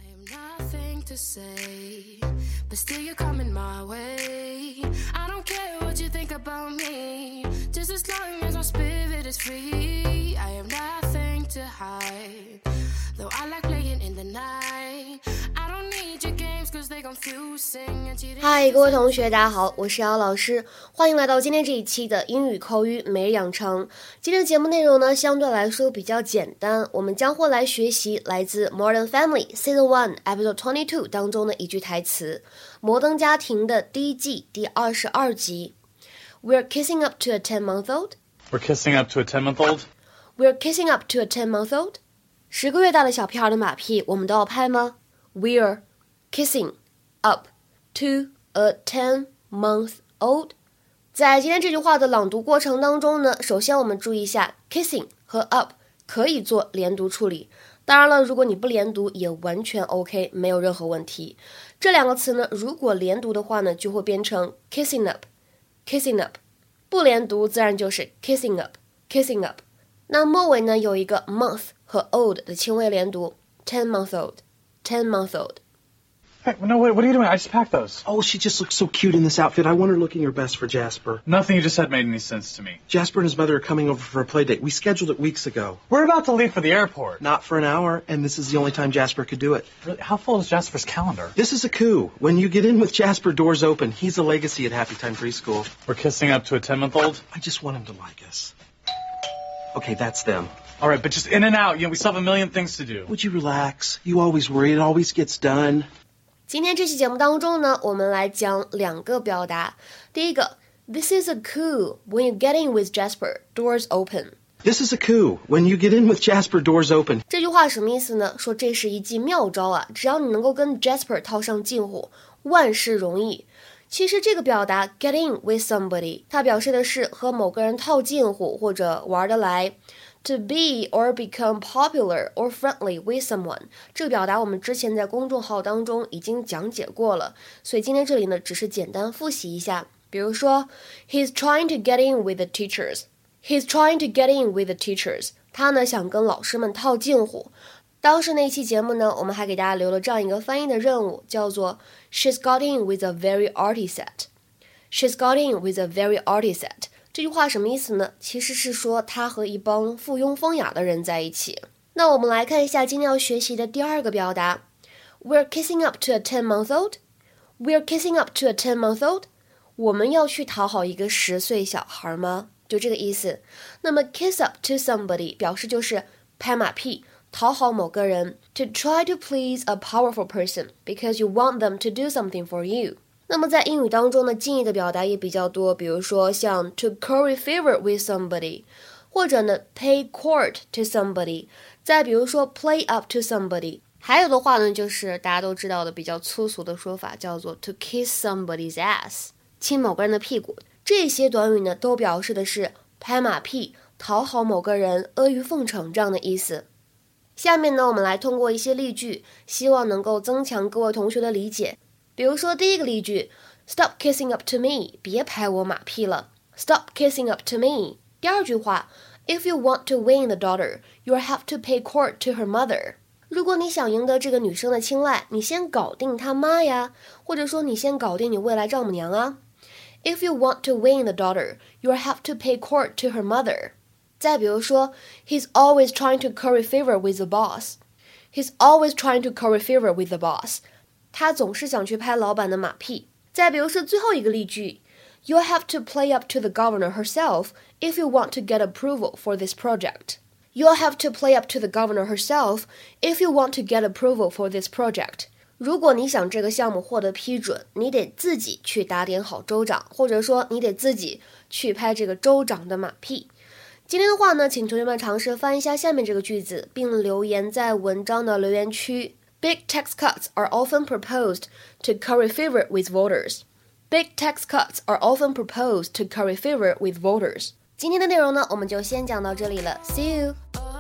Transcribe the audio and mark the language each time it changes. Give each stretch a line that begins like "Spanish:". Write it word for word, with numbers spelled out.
English: nothing to say, but still you're coming my way. I don't care what you think about me, just as long as my spirit is free. I have nothing to hide, though I like playing in the night. I don't need your games cause they confusing and cheating.
Chinese: 嗨，各位同学，大家好，我是姚老师，欢迎来到今天这一期的英语口语每日养成。今天的节目内容呢，相对来说比较简单，我们将会来学习来自 Modern Family Season one Episode twenty-two 当中的一句台词，摩登家庭的第一季第二十二集。
English: We're kissing up to a ten-month-old. We're kissing up to a ten-month-old. We're kissing up to a ten-month-old.
Chinese: 十个月大的小屁孩的马屁，我们都要拍吗？
English: We're kissing up to a ten-month-old.
Chinese: 在今天这句话的朗读过程当中呢，首先我们注意一下 kissing 和 up 可以做连读处理。当然了，如果你不连读也完全 OK， 没有任何问题。这两个词呢，如果连读的话呢，就会变成 kissing up。
English: Kissing up，
Chinese: 不连读自然就是
English: kissing up kissing up。
Chinese: 那末尾呢有一个 month 和 old 的轻微连读
English: ten month old ten month old。 Hey, no, wait, what are you doing? I just packed those. Oh, she just looks so cute in this outfit. I want her looking her best for Jasper. Nothing you just said made any sense to me. Jasper and his mother are coming over for a play date. We scheduled it weeks ago. We're about to leave for the airport. Not for an hour, and this is the only time Jasper could do it. Really? How full is Jasper's calendar? This is a coup. When you get in with Jasper, doors open. He's a legacy at Happy Time Preschool. We're kissing up to a ten-month-old? I just want him to like us. Okay, that's them. All right, but just in and out. You know, we still have a million things to do. Would you relax? You always worry. It always gets done.
Chinese: 今天这期节目当中呢，我们来讲两个表达。第一个
English: This is a coup. When you get in with Jasper, doors open. This is a coup. When you get in with Jasper, doors open.
Chinese: 这句话什么意思呢？说这是一记妙招啊，只要你能够跟 Jasper 套上近乎，万事容易。其实这个表达
English: get in with somebody，
Chinese: 它表示的是和某个人套近乎或者玩得来。
English: To be or become popular or friendly with someone，
Chinese: 这个表达我们之前在公众号当中已经讲解过了，所以今天这里呢只是简单复习一下。比如说
English: He's trying to get in with the teachers He's trying to get in with the teachers，
Chinese: 他呢想跟老师们套近乎。当时那期节目呢，我们还给大家留了这样一个翻译的任务，叫做
English: She's got in with a very arty set She's got in with a very arty set。
Chinese: 这句话什么意思呢？其实是说他和一帮附庸风雅的人在一起。那我们来看一下今天要学习的第二个表达
English: We're kissing up to a ten-month-old We're kissing up to a ten-month-old。
Chinese: 我们要去讨好一个十岁小孩吗？就这个意思。那么
English: kiss up to somebody
Chinese: 表示就是拍马屁，讨好某个人。
English: To try to please a powerful person because you want them to do something for you。
Chinese: 那么在英语当中呢，近义的表达也比较多，比如说像
English: to curry favor with somebody，
Chinese: 或者呢
English: pay court to somebody，
Chinese: 再比如说
English: play up to somebody，
Chinese: 还有的话呢，就是大家都知道的比较粗俗的说法，叫做
English: to kiss somebody's ass，
Chinese: 亲某个人的屁股。这些短语呢，都表示的是拍马屁、讨好某个人、阿谀奉承这样的意思。下面呢，我们来通过一些例句，希望能够增强各位同学的理解。比如说第一个例句
English: Stop kissing up to me，
Chinese: 别拍我马屁了。
English: Stop kissing up to me。
Chinese: 第二句话
English: If you want to win the daughter you'll have to pay court to her mother。
Chinese: 如果你想赢得这个女生的青睐，你先搞定她妈呀，或者说你先搞定你未来丈母娘啊。
English: If you want to win the daughter you'll have to pay court to her mother。
Chinese: 再比如说
English: He's always trying to curry favor with the boss He's always trying to curry favor with the boss。
Chinese: 他总是想去拍老板的马屁。再比如说最后一个例句
English: You'll have to play up to the governor herself if you want to get approval for this project You'll have to play up to the governor herself if you want to get approval for this project。
Chinese: 如果你想这个项目获得批准，你得自己去打点好州长，或者说你得自己去拍这个州长的马屁。今天的话呢，请同学们尝试翻译一下下面这个句子，并留言在文章的留言区。
English: Big tax cuts are often proposed to curry favor with voters. Big tax cuts are often proposed to curry favor with voters.
Chinese: 今天的内容呢，我们就先讲到这里了。
English: See you!